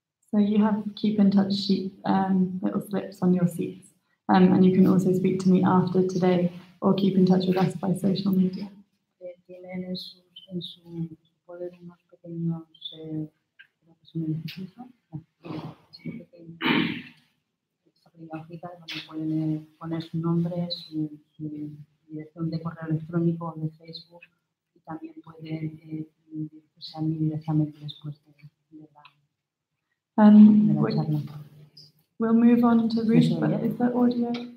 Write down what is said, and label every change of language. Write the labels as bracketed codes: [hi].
[en] So you have keep in touch sheet, little slips on your seats, and you can also speak to me after today or keep in touch with us by social media. [es] Tienen en su poder unos pequeños donde pueden poner su nombre, su dirección de correo electrónico o de Facebook, y también pueden dirigirse a mí directamente después de la charla. [en] We'll move on to Ruth, but is that audio?